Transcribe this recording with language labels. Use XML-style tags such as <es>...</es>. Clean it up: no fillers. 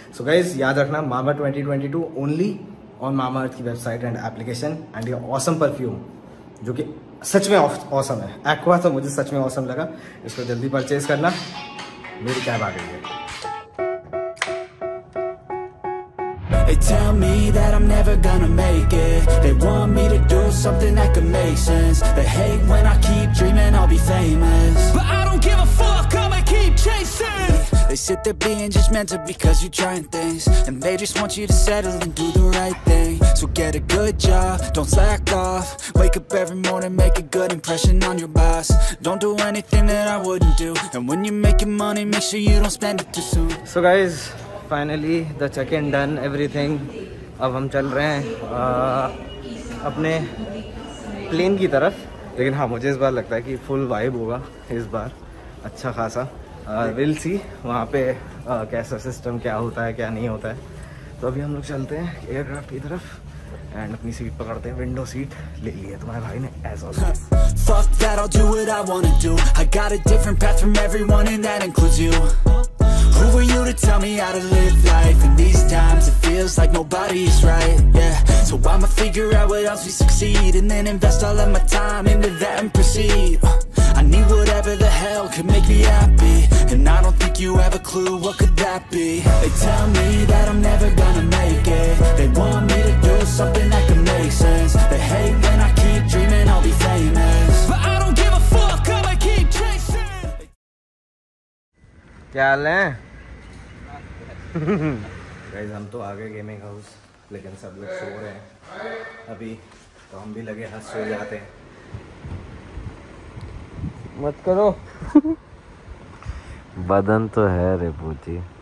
<hi>So guys याद रखना, मामा 2022 only on मामा अर्थ की वेबसाइट एंड एप्लीकेशन, एंड ये ऑसम परफ्यूम जो कि सच में ऑसम है, एक्वा तो मुझे सच में ऑसम लगा, इसको जल्दी परचेज करना, मेरी कैब आ गई है।</hi> <en>They tell me that I'm never gonna make it. They want me to do something that could make sense. They hate when I keep dreaming I'll be famous, but I don't give a fuck, I'ma keep chasing. They sit there being judgmental because you're trying things, and they just want you to settle and do the right thing. So get a good job, don't slack off, wake up every morning, make a good impression on your boss. Don't do anything that I wouldn't do, and when you're making money, make sure you don't spend it too soon. So guys, finally the checking done everything,</en> <hi>अब हम चल रहे हैं अपने plane की तरफ। लेकिन हाँ, मुझे इस बार लगता है कि फुल वाइब होगा इस बार, अच्छा खासा विल सी वहाँ पे कैसा सिस्टम, क्या होता है क्या नहीं होता है। तो अभी हम लोग चलते हैं एयरक्राफ्ट की तरफ एंड अपनी सीट पकड़ते हैं, विंडो सीट ले ली है तुम्हारे भाई ने as all.</hi> <en>Fuck that, I'll do what I wanna do. I got a different path from everyone and that includes you. Who are you to tell me how to live life? In these times it feels like nobody's right, yeah. So I'ma figure out what else we succeed, and then invest all of my time into that and proceed. I need whatever the hell could make me happy, and I don't think you have a clue what could that be. They tell me that I'm never gonna make it. They want me to do something that could make sense. They hate when I keep dreaming I'll be famous, but I don't give a fuck, I'ma keep chasing.</en> <hi>क्या हाल है guys? हम तो आ गए gaming house, लेकिन सब लोग सो रहे हैं अभी, तो हम भी लगे हंस सो जाते हैं। मत करो बदन तो है रे पूछी,</hi>